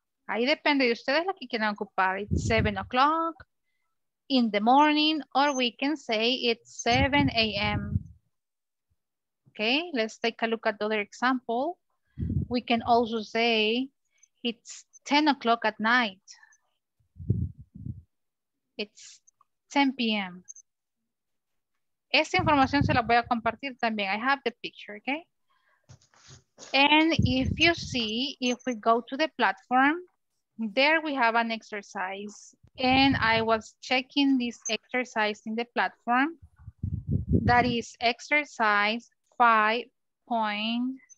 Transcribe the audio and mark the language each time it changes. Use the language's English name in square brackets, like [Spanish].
[Spanish] Ahí depende de ustedes lo que quieran ocupar. [English] It's 7 o'clock in the morning, or we can say it's 7 a.m. Okay, let's take a look at the other example. We can also say it's 10 o'clock at night. It's 10 p.m. [Spanish] Esta información se la voy a compartir también. [English] I have the picture, okay? And if you see, if we go to the platform, there we have an exercise. And I was checking this exercise in the platform. That is exercise 5.4.